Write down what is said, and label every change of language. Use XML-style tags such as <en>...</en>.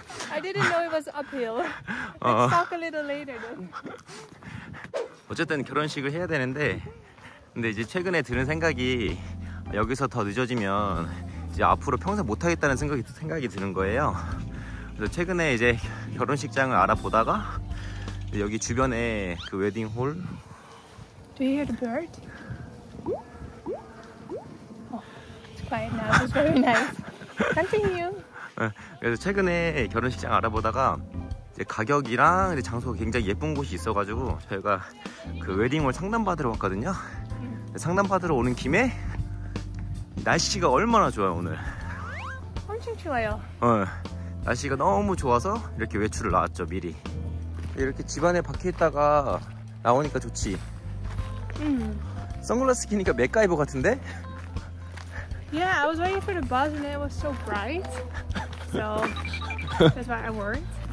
<en>I didn't know it was uphill. Let's talk a little later.</en> <ko>어쨌든 결혼식을 해야 되는데 근데 이제 최근에 드는 생각이 여기서 더 늦어지면 이제 앞으로 평생 못 하겠다는 생각이 드는 거예요. 그래서 최근에 이제 결혼식장을 알아보다가 여기 주변에 그 웨딩홀.</ko> <en>Do you hear the bird? It's quiet now. It's very nice. Continue.</en> <ko>그래서 최근에 결혼식장 알아보다가 이제 가격이랑 이제 장소가 굉장히 예쁜 곳이 있어가지고 저희가 그 웨딩홀 상담받으러 왔거든요. 상담받으러 오는 김에 날씨가 얼마나 좋아요 오늘. 엄청 좋아요. 날씨가 너무 좋아서 이렇게 외출을 나왔죠 미리. 이렇게 집안에 박혀 있다가 나오니까 좋지. 선글라스 끼니까 맥가이버 같은데?</ko> <en>Yeah, I was waiting for the bus and it was so bright. So that's why I worried.</en>